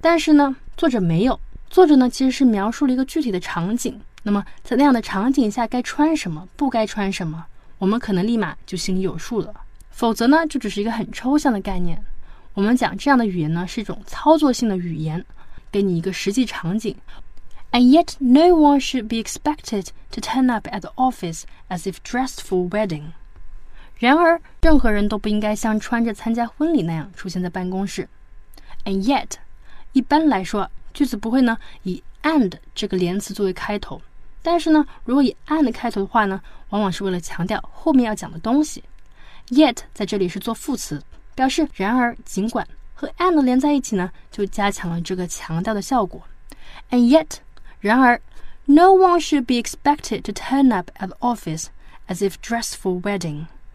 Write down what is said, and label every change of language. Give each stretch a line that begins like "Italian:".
Chinese: 但是呢作者没有。作者呢其实是描述了一个具体的场景。那么在那样的场景下该穿什么不该穿什么我们可能立马就心里有数了。否则呢就只是一个很抽象的概念。我们讲这样的语言呢是一种操作性的语言。给你一个实际场景
English: And yet no one should be expected to turn up at the office as if dressed for wedding.
Chinese: 然而任何人都不应该像穿着参加婚礼那样出现在办公室。
English: And yet,
Chinese: 一般来说句子不会呢以 and 这个连词作为开头。但是呢如果以 and 开头的话呢往往是为了强调后面要讲的东西。 Yet 在这里是做副词表示然而尽管。和 and 连在一起呢就加强了这个强调的效果
English: and yet 然而 no one should be expected to turn up at the office as if dressed for wedding